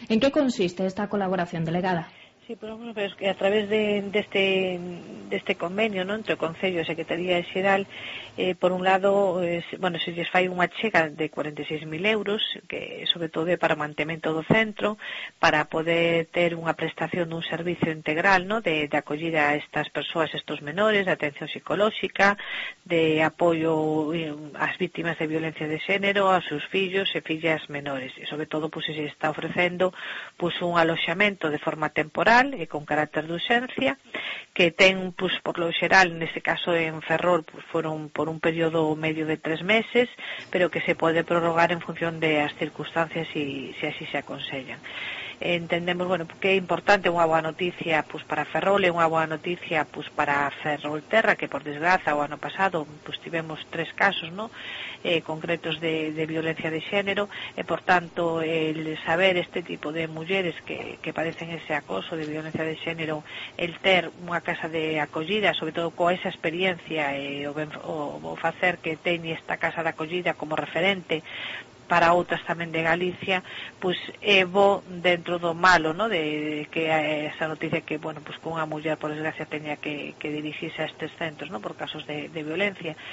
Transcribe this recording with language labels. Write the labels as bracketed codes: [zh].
[es] En que consiste esta colaboración, delegada? [gl] Sí, pero bueno, pues, a través deste convenio, ¿no?, entre o Concello e a Secretaría Xeral, por un lado, bueno, se lles fai unha chega de 46.000 euros, que sobre todo é para o mantemento do centro, para poder ter unha prestación dun servicio integral, ¿no?, de acollida a estas persoas, estos menores, de atención psicolóxica, de apoio ás vítimas de violencia de xénero, aos seus fillos e fillas menores. E sobre todo, pues, se está ofrecendo, pues, un aloxamento de forma temporal e con carácter de urxencia, que ten, pues, por lo xeral, neste caso en Ferrol, pues, foron por un periodo medio de 3 meses, pero que se pode prorrogar en función de as circunstancias e se así se aconsellan. Entendemos, bueno, que é importante, unha boa noticia, pues, para Ferrol, e unha boa noticia, pues, para Ferrolterra, que por desgraza o ano pasado, pues, tivemos 3 casos, ¿no?, concretos de violencia de xénero, e por tanto el saber este tipo de mulleres que padecen ese acoso de violencia de xénero, el ter unha casa de acollida, sobre todo coa esa experiencia, o facer que teñe esta casa de acollida como referente para outras tamén de Galicia, pues é bo dentro do malo, ¿no?, de que esa noticia que, bueno, pues, cunha muller, por desgracia, teña que dirixirse a estes centros, ¿no?, por casos de violencia.